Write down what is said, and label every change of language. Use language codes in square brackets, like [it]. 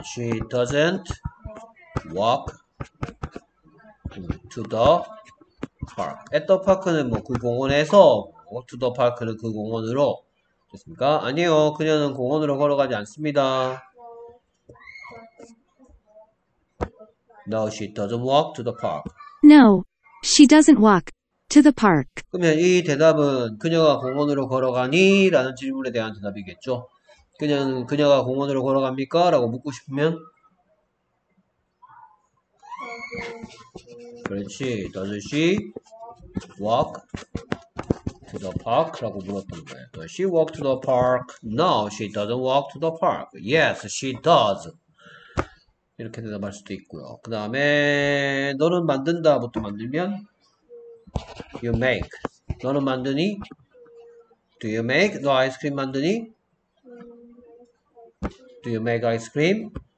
[en] She doesn't walk to the park. [ko] 애터파크는 뭐그 공원에서 뭐, [en] to the park [ko] 는 그 공원으로. 됐습니까? 아니요, 그녀는 공원으로 걸어가지 않습니다. [en] No, she doesn't walk to the park. No, she doesn't walk to the park. [ko] 그러면 이 대답은 그녀가 공원으로 걸어가니? 라는 질문에 대한 대답이겠죠. 그녀가 공원으로 걸어갑니까? 라고 묻고 싶으면. 그렇지. [en] Does she walk to the park? [ko] 라고 물었던 거예요. [en] Does she walk to the park? No, she doesn't walk to the park. Yes, she does. [ko] 이렇게 대답할 수도 있고요. 그 다음에, 너는 만든다부터 만들면? [en] You make. [ko] 너는 만드니? [en] Do you make? [ko] 너 아이스크림 만드니? [en] Do you make ice cream?